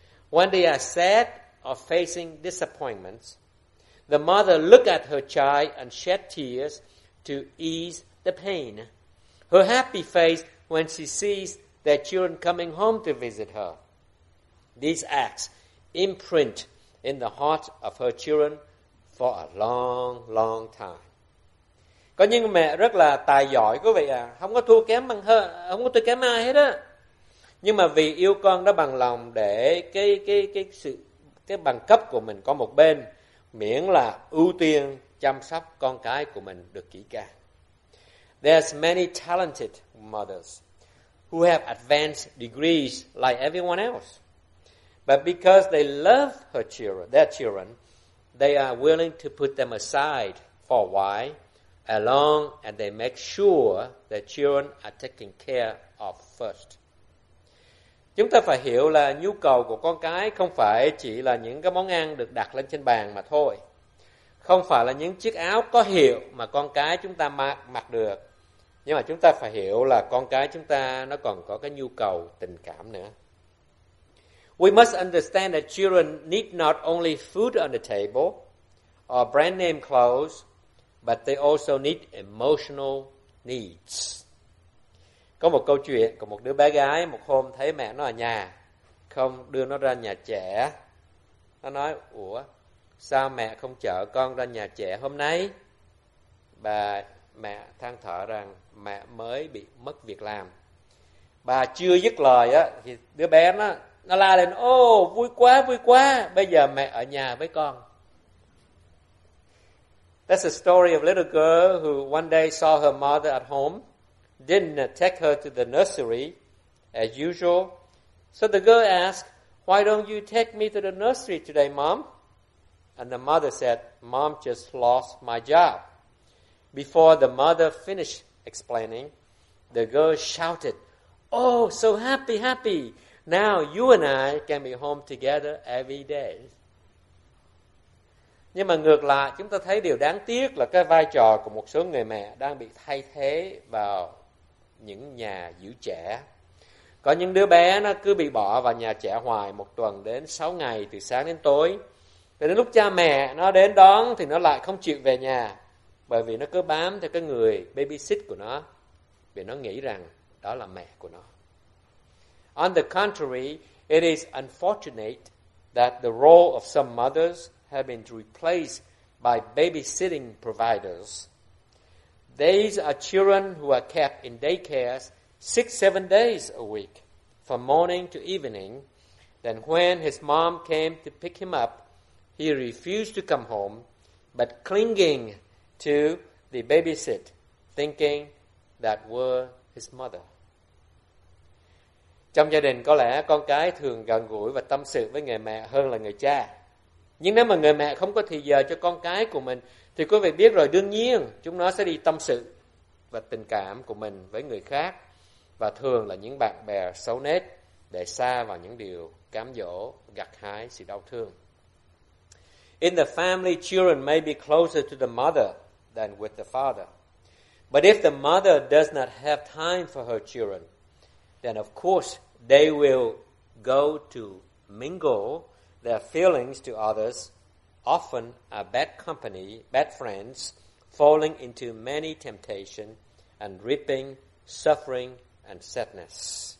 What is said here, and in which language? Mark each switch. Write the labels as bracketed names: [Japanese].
[English] When they are sad or facing disappointments, the mother looks at her child and shed tears to ease the pain. Her happy face when she sees their children coming home to visit her. These acts imprint in the heart of her children for a long, long time. [Vietnamese] Có những mẹ rất là tài giỏi, quý vị ạ, không có thua kém bằng hơn, không có thua kém ai hết á. Nhưng mà vì yêu con đó bằng lòng để cái bằng cấp của mình có một bên, miễn là ưu tiên chăm sóc con cái của mình được kỹ càng. [English] There's many talented mothers who have advanced degrees like everyone else. But because they love her children, their children, they are willing to put them aside for a while, along, and they make sure their children are taken care of first. [Vietnamese] Chúng ta phải hiểu là nhu cầu của con cái không phải chỉ là những cái món ăn được đặt lên trên bàn mà thôi. Không phải là những chiếc áo có hiệu mà con cái chúng ta mặc được. Nhưng mà chúng ta phải hiểu là con cái chúng ta nó còn có cái nhu cầu tình cảm nữa. [English] We must understand that children need not only food on the table or brand name clothes, but they also need emotional needs. [Vietnamese] Có một câu chuyện của một đứa bé gái, một hôm thấy mẹ nó ở nhà, không đưa nó ra nhà trẻ. Nó nói, ủa, sao mẹ không chở con ra nhà trẻ hôm nay? Bà mẹ than thở rằng mẹ mới bị mất việc làm. Bà chưa dứt lời á, thì đứa bé nó la lên, ô, vui quá, bây giờ mẹ ở nhà với con. [English] That's a story of a little girl who one day saw her mother at home didn't take her to the nursery as usual. So the girl asked, "Why don't you take me to the nursery today, Mom?" And the mother said, "Mom just lost my job." Before the mother finished explaining, the girl shouted, "Oh, so happy, happy. Now you and I can be home together every day." [Vietnamese] Nhưng mà ngược lại, chúng ta thấy điều đáng tiếc là cái vai trò của một số người mẹ đang bị thay thế vào những nhà giữ trẻ. Có những đứa bé nó cứ bị bỏ vào nhà trẻ hoài một tuần đến 6 ngày từ sáng đến tối. Thì đến lúc cha mẹ nó đến đón thì nó lại không chịu về nhà bởi vì nó cứ bám theo cái người babysit của nó vì nó nghĩ rằng đó là mẹ của nó. [English] On the contrary, it is unfortunate that the role of some mothers have been replaced by babysitting providers. These are children who are kept in daycares 6-7 days a week, from morning to evening. Then when his mom came to pick him up, he refused to come home, but clinging to the babysit, thinking that were his mother. [Vietnamese] Trong gia đình có lẽ con cái thường gần gũi và tâm sự với người mẹ hơn là người cha. Nhưng nếu mà người mẹ không có thời giờ cho con cái của mình, thì quý vị biết rồi, đương nhiên chúng nó sẽ đi tâm sự và tình cảm của mình với người khác và thường là những bạn bè xấu nết để xa vào những điều cám dỗ, gặt hái sự đau thương. [English] In the family, children may be closer to the mother than with the father. But if the mother does not have time for her children, then of course they will go to mingle their feelings to others, often a bad company, bad friends, falling into many temptations and reaping suffering and sadness.